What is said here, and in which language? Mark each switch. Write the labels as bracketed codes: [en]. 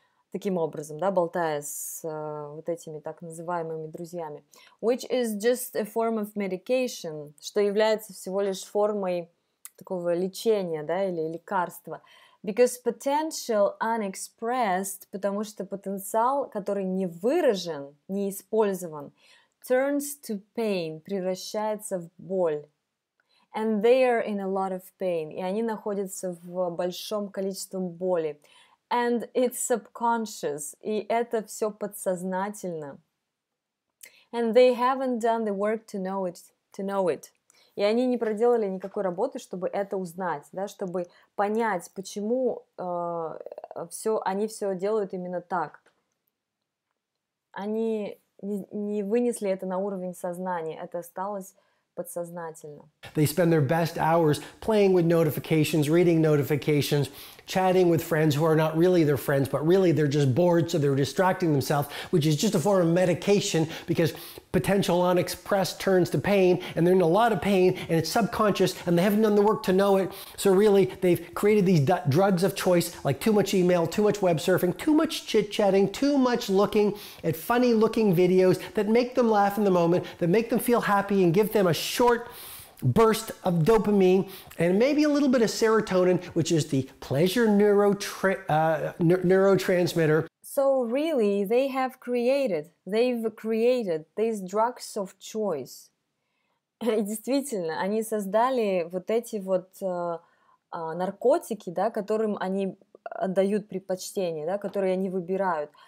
[ru] таким образом, да, болтая с вот этими так называемыми друзьями, which is just a form of medication, что является всего лишь формой такого лечения, да, или лекарства, because potential unexpressed, потому что потенциал, который не выражен, не использован, turns to pain, превращается в боль. [en] And they are in a lot of pain, и они находятся в большом количестве боли. [ru] And it's subconscious, и это все подсознательно. [en] And they haven't done the work to know it, to know it. [ru] И они не проделали никакой работы, чтобы это узнать, да, чтобы понять, почему все, они все делают именно так. Они не вынесли это на уровень сознания, это осталось подсознательно. [en] They spend their best hours playing with notifications, reading notifications, chatting with friends who are not really their friends, but really they're just bored, so they're distracting themselves, which is just a form of medication because potential unexpressed turns to pain, and they're in a lot of pain, and it's subconscious, and they haven't done the work to know it. So really, they've created these drugs of choice, like too much email, too much web surfing, too much chit-chatting, too much looking at funny-looking videos that make them laugh in the moment, that make them feel happy and give them a short burst of dopamine and maybe a little bit of serotonin, which is the pleasure neurotransmitter. So really, they've created these drugs of choice. [ru] И действительно, они создали вот эти вот наркотики, да, которым они отдают предпочтение, да, которые они выбирают.